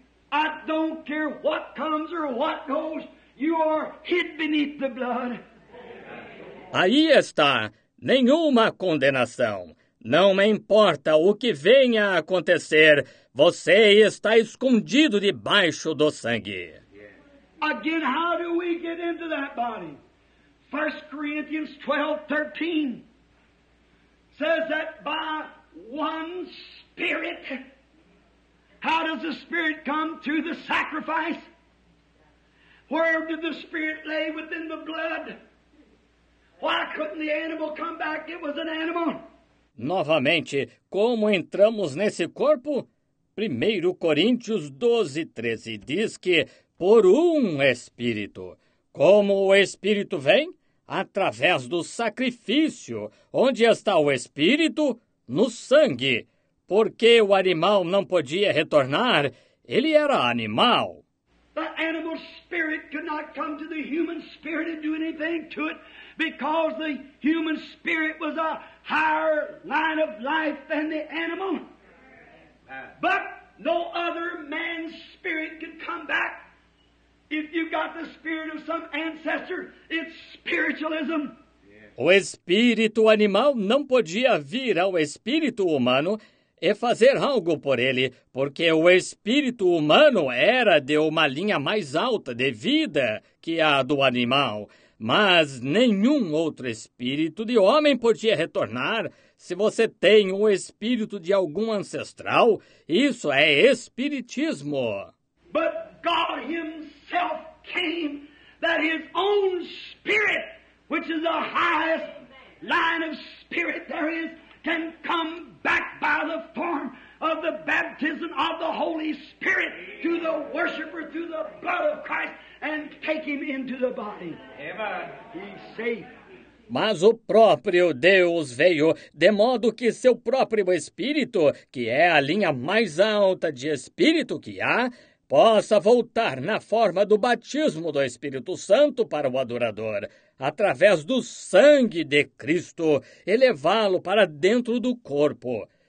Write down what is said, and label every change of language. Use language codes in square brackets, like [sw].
[en] I don't care what comes or what goes. You are hid beneath the blood. [pt] Aí está, nenhuma condenação. Não me importa o que venha a acontecer, você está escondido debaixo do sangue. [en] Again, how do we get into that body? 1 Corinthians 12:13 says that by one spirit. How does the spirit come? Through the sacrifice. Where did the spirit lay? Within the blood. Why couldn't the animal come back? It was an animal. [pt] Novamente, como entramos nesse corpo? 1 Coríntios 12:13 diz que por um Espírito. Como o Espírito vem? Através do sacrifício. Onde está o Espírito? No sangue. Porque o animal não podia retornar, ele era animal. [en] The animal spirit could not come to the human spirit and do anything to it, because the human spirit was a higher line of life than the animal. But no other man's spirit could come back. If you got the spirit of some ancestor, it's spiritualism. [pt] O espírito animal não podia vir ao espírito humano e fazer algo por ele, porque o espírito humano era de uma linha mais alta de vida que a do animal. Mas nenhum outro espírito de homem podia retornar. Se você tem o espírito de algum ancestral, isso é espiritismo. [en] But God himself came, that his own spirit, which is the highest line of spirit there is, can come back by the form of the baptism of the Holy Spirit to the worshiper through the blood of Christ and take him into the body. He's safe. [pt] Mas o próprio Deus veio, de modo que seu próprio espírito, que é a linha mais alta de espírito que há, possa voltar na forma do batismo do Espírito Santo para o adorador, através do sangue de Cristo, e levá-lo para dentro do corpo.